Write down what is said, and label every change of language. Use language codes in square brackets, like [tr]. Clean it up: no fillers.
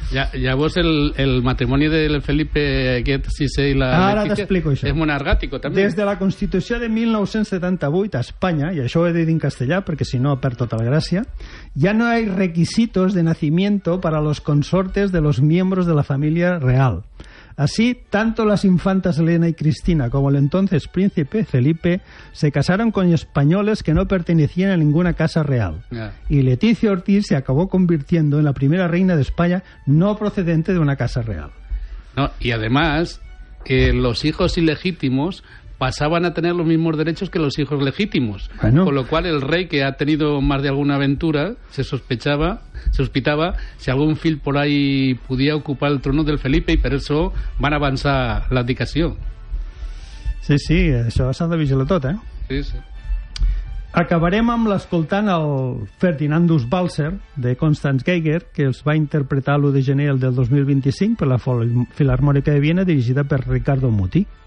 [ca] Ja, llavors el matrimoni de Felipe aquest sisè i la Letícia. Ara t'explico això. És monargàtic també. Des de la Constitució de 1978 a Espanya, i això ho he dit en castellà perquè si no perd tota la gràcia, ja no hay requisitos de nacimiento para los consortes de los miembros de la família real. [es] Así, tanto las infantas Elena y Cristina como el entonces príncipe Felipe se casaron con españoles que no pertenecían a ninguna casa real. Yeah. Y Leticia Ortiz se acabó convirtiendo en la primera reina de España no procedente de una casa real. No, y además, los hijos ilegítimos pasaban a tener los mismos derechos que los hijos legítimos. Bueno. Con lo cual, el rey, que ha tenido más de alguna aventura, se sospitaba si algún fil por ahí podía ocupar el trono del Felipe, y por eso van a avanzar la abdicació. [ca] Sí, sí, això s'ha de vigilar tot, eh? Sí, sí. Acabarem amb l'escoltant el Ferdinandus Walser, de Constance Geiger, que els va interpretar l'1 de gener del 2025 per la Filarmònica de Viena, dirigida per Ricardo Muti.